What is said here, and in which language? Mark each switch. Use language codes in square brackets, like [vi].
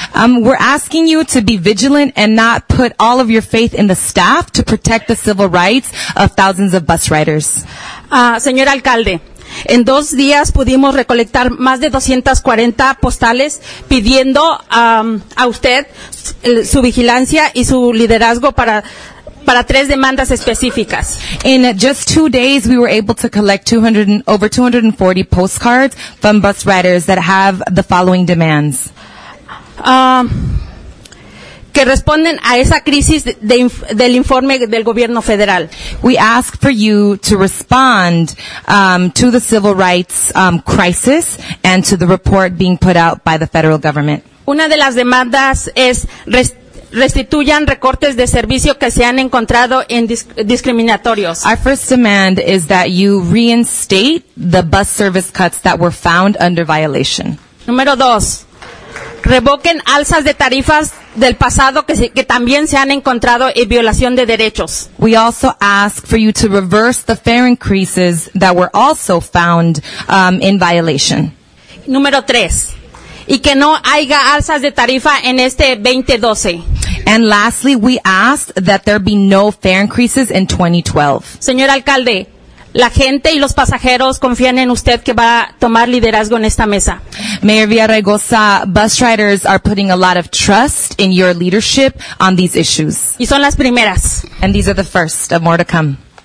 [en] We're asking you to be vigilant and not put all of your faith in the staff to protect the civil rights of thousands of bus riders. [es] Señor alcalde, en dos días pudimos recolectar más de 240 postales pidiendo a usted su vigilancia y su liderazgo para tres demandas específicas. [en] In just 2 days, we were able to collect over 240 postcards from bus riders that have the following demands. [es] Que responden a esa crisis del informe del gobierno federal. [en] We ask for you to respond to the civil rights crisis and to the report being put out by the federal government. [es] Una de las demandas es restituyan recortes de servicio que se han encontrado en discriminatorios. [en] Our first demand is that you reinstate the bus service cuts that were found under violation. [es] Número dos, revoquen alzas de tarifas del pasado que también se han encontrado en violación de derechos. [en] We also ask for you to reverse the fare increases that were also found in violation. [es] Número tres, y que no haya alzas de tarifa en este 2012. [en] And lastly, we asked that there be no fare increases in 2012. [es] Señor alcalde, la gente y los pasajeros confían en usted que va a tomar liderazgo en esta mesa. [en] Mayor Villaraigosa, bus riders are putting a lot of trust in your leadership on these issues. [es] Y son las primeras. [en] And these are the first of more to come.